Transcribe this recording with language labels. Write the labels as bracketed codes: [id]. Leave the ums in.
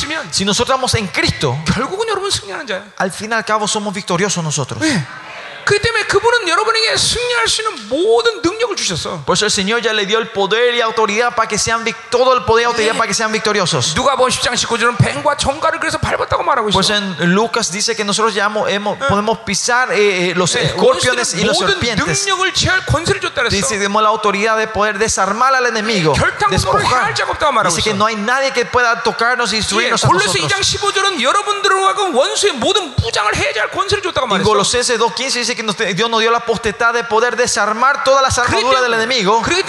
[es] si nosotros estamos en Cristo, al fin y al cabo somos victoriosos nosotros. [ko] 그 때문에 그분은 여러분에게 승리할 수 있는 모든 능력을 주셨어. [es] Pues el Señor ya le dio el poder y autoridad para que sean todo el poder y autoridad para que sean victoriosos. [ko] 누가 보십장 19절은 뱀과 전갈을 그래서 밟았다고 말하고 있어. [es] Pues en Lucas dice que nosotros ya hemos podemos pisar eh, los escorpiones y los serpientes. [ko] 모든 능력을 취할 권세를 줬다 그랬어. [es] Dice demos la autoridad de poder desarmar al enemigo. [ko] 결단으로 [es] Dice que no hay nadie que pueda tocarnos y destruirnos a nosotros. [ko] 골로새 2장 15절은 여러분들과 원수의 모든 무장을 해제할 권세를 줬다고 말했어. [es] 골로새 2:15 dice que Dios nos dio la potestad de poder desarmar todas las armaduras del enemigo.